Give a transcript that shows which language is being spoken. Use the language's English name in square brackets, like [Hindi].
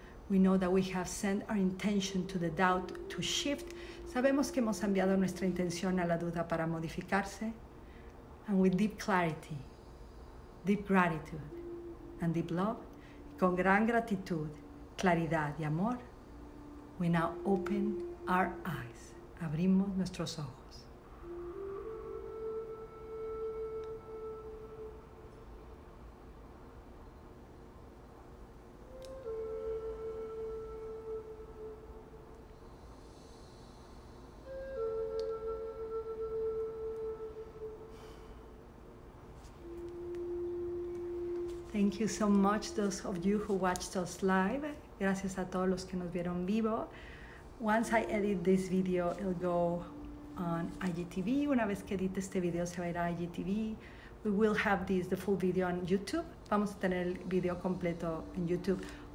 [English] We know that we have sent our intention to the doubt to shift. [Spanish] Sabemos que hemos enviado nuestra intención a la duda para modificarse. [English] And with deep clarity, deep gratitude, and deep love, [Spanish] con gran gratitud, claridad y amor, [English] we now open our eyes. [Spanish] Abrimos nuestros ojos. [English] Thank you so much, those of you who watched us live. [Spanish] Gracias a todos los que nos vieron vivo. [English] Once I edit this video, it'll go on IGTV. [Spanish] Una vez que edite este video, se va a ir a IGTV. [English] We will have this, the full video on YouTube. [Spanish] Vamos a tener el video completo en YouTube.